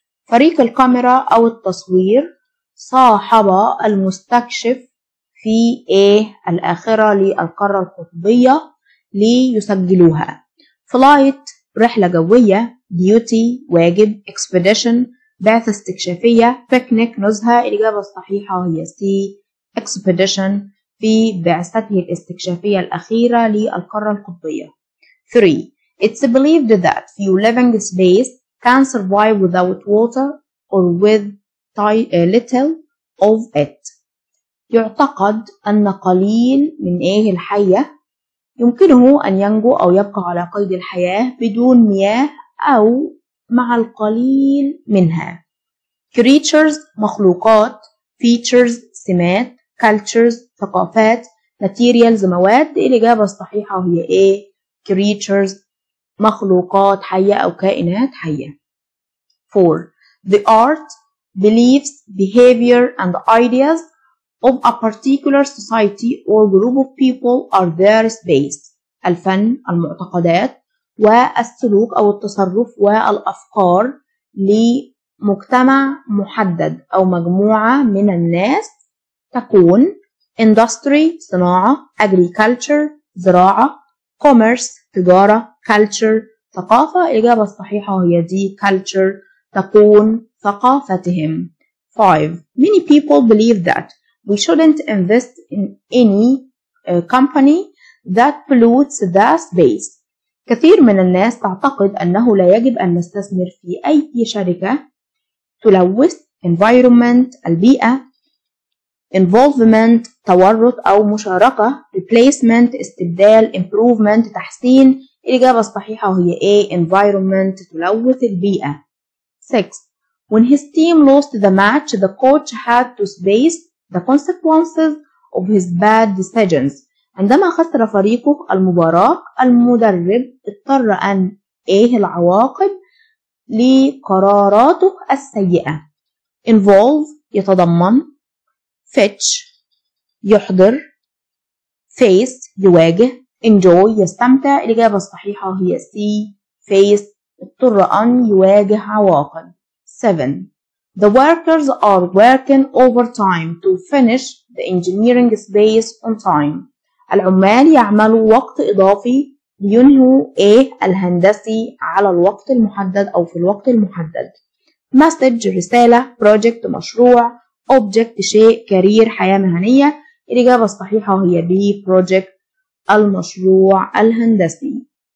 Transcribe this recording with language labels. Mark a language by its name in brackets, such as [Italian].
[Arabic] فريق الكاميرا أو التصوير صاحب المستكشف في الآخرة للقارة القطبية ليسجلوها. Flight رحلة جوية, duty واجب, expedition بعثة استكشافية, picnic نزهة. الإجابة الصحيحة هي C, expedition في بعثته الاستكشافية الأخيرة للقارة القطبية. 3. [English] It's believed that few living space can survive without water or with little of it. [Arabic] يعتقد أن قليل من الحية يمكنه أن ينجو أو يبقى على قيد الحياة بدون مياه أو مع القليل منها. Creatures مخلوقات, features سمات, cultures ثقافات, materials مواد. الإجابة الصحيحة هي A, creatures مخلوقات حية أو كائنات حية. 4. [English] The art, beliefs, behavior and ideas of a particular society or group of people are their space. [Arabic] الفن, المعتقدات والسلوك أو التصرف والأفكار لمجتمع محدد أو مجموعة من الناس تكون. Industry صناعة, agriculture زراعة, commerce تجارة, culture ثقافة. الإجابة الصحيحة هي D, culture تكون ثقافتهم. 5. [English] Many people believe that we shouldn't invest in any company that pollutes the space. [Arabic] كثير من الناس تعتقد أنه لا يجب أن نستثمر في أي شركة تلوث environment البيئة. Involvement تورط أو مشاركة. Replacement استبدال. Improvement تحسين. الإجابة الصحيحة هي A, environment تلوث البيئة. 6. [English] When his team lost the match, the coach had to face the consequences of his bad decisions. [Arabic] عندما خسر فريقه المباراة, المدرب اضطر أن العواقب لقراراته السيئة. Involve يتضمن, fetch يحضر, face يواجه, enjoy يستمتع. الإجابة الصحيحة هي C, face اضطر أن يواجه عواقب. 7. [English] The workers are working overtime to finish the engineering space on time. [Arabic] العمال يعملوا وقت إضافي لينهوا الهندسي على الوقت المحدد أو في الوقت المحدد. Message رسالة, project مشروع, object شيء, career حياة مهنية. الإجابة الصحيحة هي B, project المشروع الهندسي.